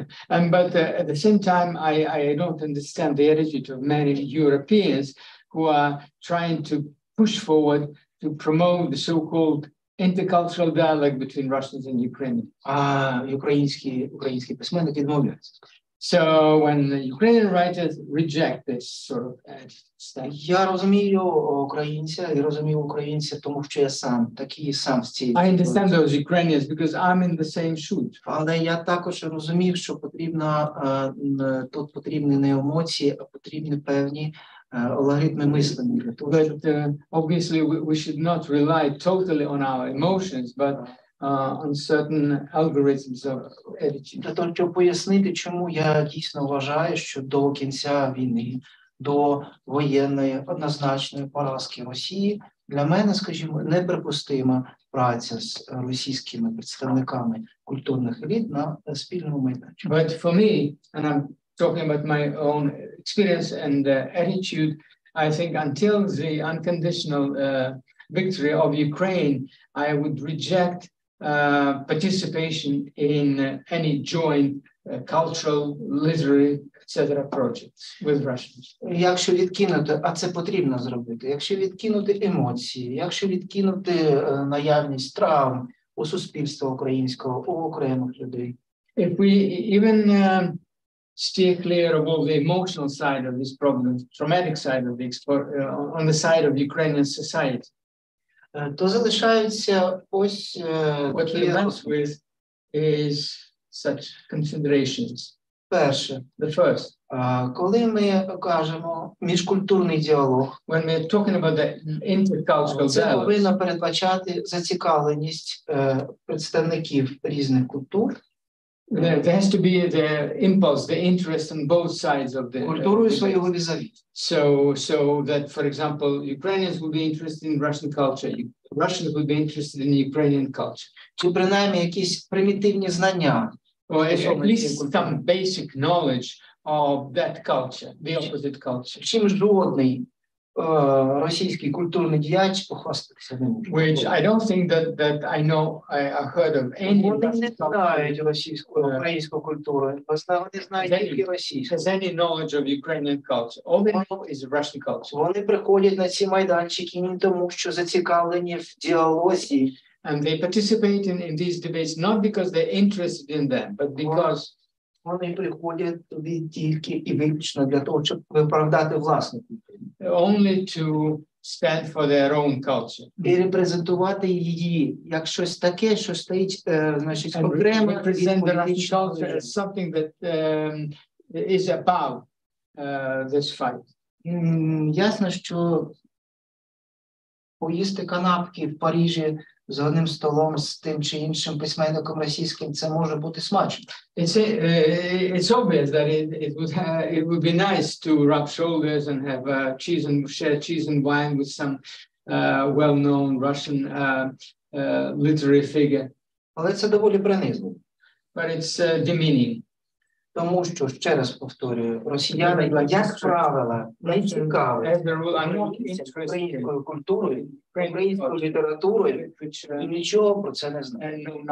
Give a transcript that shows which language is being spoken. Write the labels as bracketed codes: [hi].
[en] But at the same time I don't understand the attitude of many Europeans who are trying to push forward to promote the so-called intercultural dialogue between Russians and Ukrainians. [uk] А українські письменники відмовляються. [en] So when the Ukrainian writers reject this sort of attitude, [uk] я розумію українця і розумію українця, тому що я сам такий сам з цієї. [en] I understand those Ukrainians because I'm in the same shoes. [uk] Але я також розумів, що потрібно тут потрібні не емоції, а потрібні певні алгоритми мислення. [en] But obviously we should not rely totally on our emotions, but on certain algorithms of editing. [uk] Для того, щоб пояснити, чому я дійсно вважаю, що до кінця війни, до воєнної однозначної поразки Росії, для мене, скажімо, неприпустима праця з російськими представниками культурних еліт на спільному майданчику. [en] But for me, and I'm talking about my own experience and attitude, I think until the unconditional victory of Ukraine, I would reject participation in any joint cultural, literary, etc. projects with Russians. [uk] Якщо відкинути, а це потрібно зробити, якщо відкинути емоції, якщо відкинути наявність травм у суспільстві українського, у окремих людей. [en] If we even steer clear of all the emotional side of this problem, traumatic side of the on the side of Ukrainian society, [uk] то залишаються ось [en] what we mess with is such considerations. [uk] Перше, [en] the first, [uk] коли ми кажемо міжкультурний діалог, [en] when we're talking about the intercultural [uk] dialogue, це повинно передбачати зацікавленість представників різних культур. [en] There has to be the impulse, the interest on both sides of the [uk] культуру і своєго візаві. [en] So that, for example, Ukrainians would be interested in Russian culture, Russians would be interested in Ukrainian culture. [uk] Чи принаймні якісь примітивні знання, [en] or at least some basic knowledge of that culture, the opposite culture. [uk] Чим жодний російський культурний діяч похвастатися не може. [en] Which I don't think that I know, I heard of any. [uk] Вони не знають російську, українську культуру. Вони знають тільки російську. [en] Has any knowledge of Ukrainian culture. All they know is Russian culture. [uk] Вони приходять на ці майданчики не тому, що зацікавлені в діалозі. [en] And they participate in these debates not because they're interested in them, but because [uk] вони приходять туди тільки і виключно для того, щоб виправдати власну культуру. [en] Only to stand for their own culture. [uk] І репрезентувати її як щось таке, що стоїть, значить, окремо від політичної. [en] Something that is above this fight. [uk] Ясно, що поїсти канапки в Парижі з одним столом з тим чи іншим письменником російським, це може бути смачно. [en] It's obvious that it would be nice to rub shoulders and have cheese and share cheese and wine with some well-known Russian literary figure. [uk] Але це доволі принизливо. [en] But it's demeaning. [uk] Тому що, ще раз повторюю, росіяни, як правило, не цікавляться українською культурою, українською літературою, і нічого про це не знає.